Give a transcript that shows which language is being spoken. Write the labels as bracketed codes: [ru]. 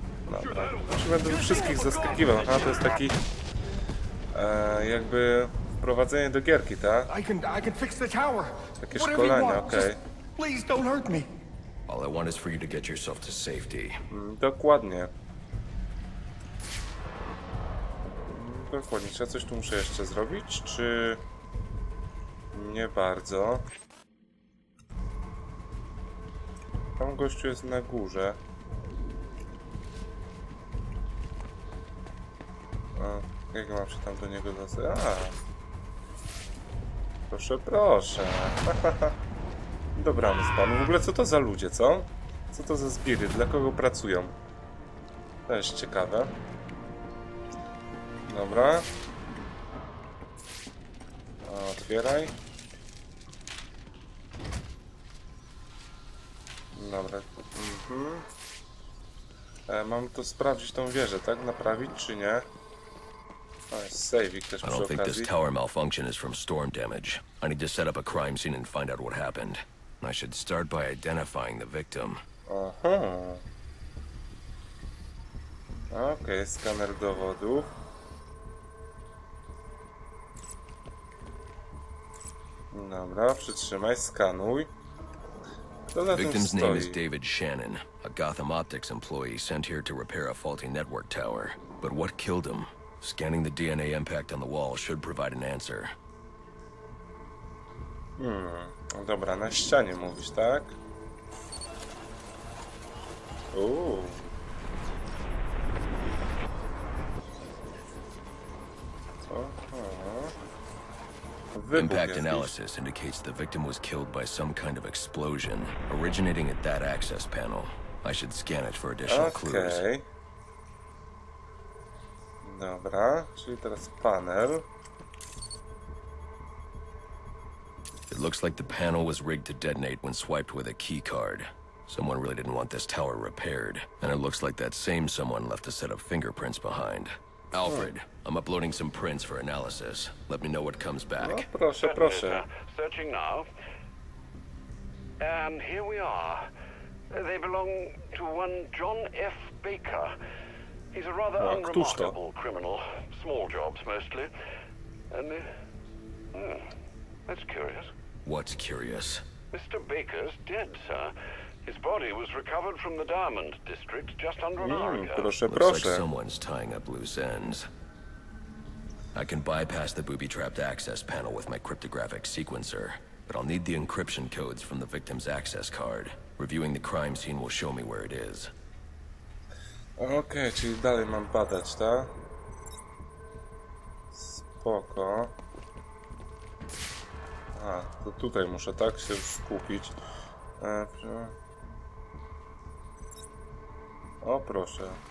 [pl] Dobra, znaczy będę wszystkich zaskakiwał, a to jest taki jakby wprowadzenie do gierki, tak? Takie szkolenie, okej. [en] Okay. All I want is for you to get yourself to safety. [pl] Dokładnie. Dokładnie. Czy ja coś tu muszę jeszcze zrobić, czy nie bardzo? Tam gościu jest na górze. A, jak mam się tam do niego dostać? Proszę, proszę. Dobra, z panu. W ogóle co to za ludzie, co? Co to za zbiry? Dla kogo pracują? To jest ciekawe. Dobra. Otwieraj. Dobra. Mhm. Mam to sprawdzić tą wieżę, tak? Naprawić czy nie? Save [en] I don't think this tower malfunction is from storm damage. I need to set up a crime scene and find out what happened. I should start by identifying the victim. [pl] Aha. Okej, skaner dowodów. Dobra, przytrzymaj, skanuj. Kto na [en] Victim's [pl] tym stoi? [en] Name is David Shannon, a Gotham Optics employee sent here to repair a faulty network tower. But what killed him? Scanning the DNA impact on the wall should provide an answer. [pl] Dobra, na ścianie mówisz, tak? Uuu. Aha. [en] Impact analysis indicates the victim was killed by some kind of explosion originating at that access panel. I should scan it for additional clues. Okay. [pl] Dobra, czyli teraz panel. [en] It looks like the panel was rigged to detonate when swiped with a key card. Someone really didn't want this tower repaired, and it looks like that same someone left a set of fingerprints behind. Alfred, I'm uploading some prints for analysis. Let me know what comes back. [pl] No, proszę, proszę. [en] Searching now. And here we are. They belong to one John F. Baker. He's a rather unremarkable criminal. Small jobs, mostly. And, that's curious. What's curious? Mr. Baker's dead, sir. His body was recovered from the Diamond District just under an hour ago. [pl] Proszę, proszę. [en] Looks like someone's tying up loose ends. I can bypass the booby-trapped access panel with my cryptographic sequencer, but I'll need the encryption codes from the victim's access card. Reviewing the crime scene will show me where it is. [pl] Okay, czyli dalej mam badać, tak? Spoko. A, to tutaj muszę tak się skupić. O, proszę.